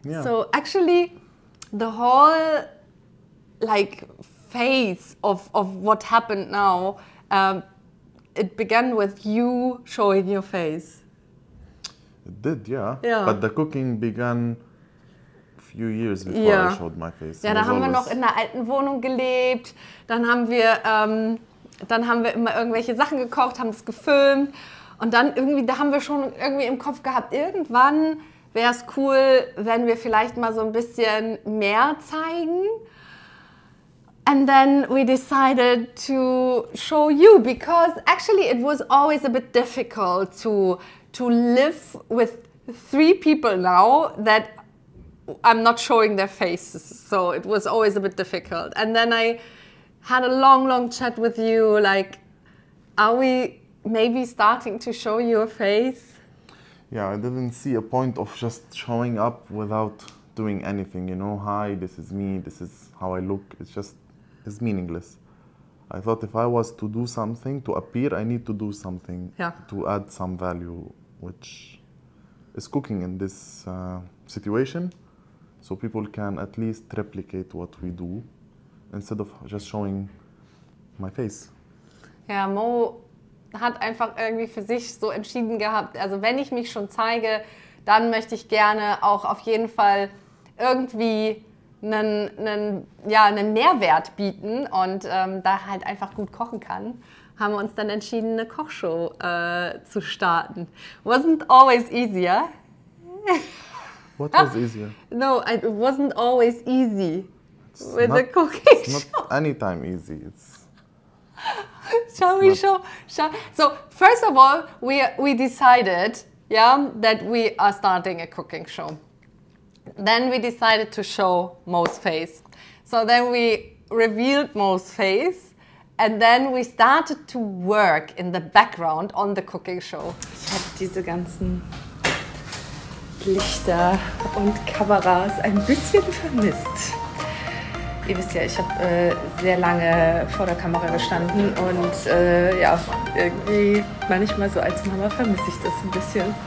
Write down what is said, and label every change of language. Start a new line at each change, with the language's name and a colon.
English: So actually, the whole like phase of what happened now, it began with you showing your face. It did, yeah. But the cooking began few years before I showed my face.
German: Ja, da haben wir noch in einer alten Wohnung gelebt. Dann haben wir immer irgendwelche Sachen gekocht, haben es gefilmt. Und dann irgendwie, da haben wir schon irgendwie im Kopf gehabt, irgendwann wäre es cool, wenn wir vielleicht mal so ein bisschen mehr zeigen.
English: And then we decided to show you, because actually it was always a bit difficult to live with 3 people now that I'm not showing their faces, so it was always a bit difficult. And then I had a long, long chat with you, like, are we maybe starting to show your face? Yeah, I didn't see a point of just showing up without doing anything, you know, hi, this is me, this is how I look. It's just, it's meaningless. I thought if I was to do something, to appear, I need to do something to add some value, which is cooking in this situation. So people can at least replicate what we do instead of just showing my face.
German: Ja, Mo hat einfach irgendwie für sich so entschieden gehabt, also wenn ich mich schon zeige, dann möchte ich gerne auch auf jeden Fall irgendwie einen Mehrwert bieten und da halt einfach gut kochen kann, haben wir uns dann entschieden, eine Kochshow zu starten.
English: Wasn't always easier. What was easier? No, it wasn't always easy with the cooking. It's not anytime easy. So first of all, we decided, that we are starting a cooking show. Then we decided to show Mo's face. So then we revealed Mo's face, and then we started to work in the background on the cooking show.
German: Ich hab diese ganzen Lichter und Kameras ein bisschen vermisst. Ihr wisst ja, ich habe sehr lange vor der Kamera gestanden und irgendwie manchmal so als Mama vermisse ich das ein bisschen.